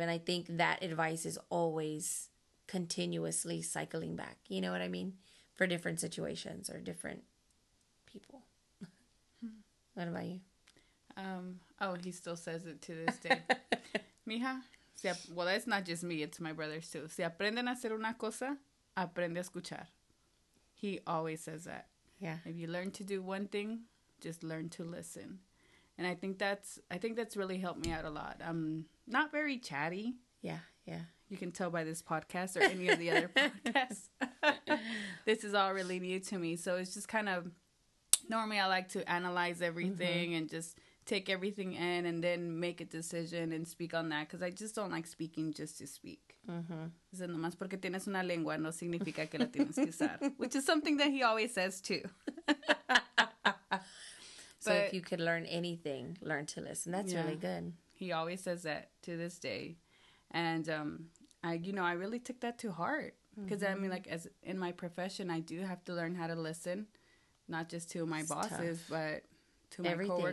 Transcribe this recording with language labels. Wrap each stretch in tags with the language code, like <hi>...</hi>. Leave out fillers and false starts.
<en>And I think that advice is always continuously cycling back, you know what I mean, for different situations or different people. What about you? He still says it to this day. Mija, well, that's not just me, it's my brothers too.</en> <es>Si aprenden a hacer una cosa, aprende a escuchar.</es> <en>He always says that. Yeah. If you learn to do one thing, just learn to listen. And I think that's really helped me out a lot. I'm not very chatty. Yeah, yeah. You can tell by this podcast or any of the other podcasts. This is all really new to me. So it's just kind of, normally I like to analyze everything mm-hmm. and just take everything in and then make a decision and speak on that. Because I just don't like speaking just to speak. Mm-hmm.</en> <es>Nomás porque tienes una lengua no significa que la tienes que usar.</es> <en>Which is something that he always says too. So if you could learn anything, learn to listen. That's really good. He always says that to this day. And, I really took that to heart because, mm-hmm. I mean, like, as in my profession, I do have to learn how to listen, not just to my bosses, but to everything.</en>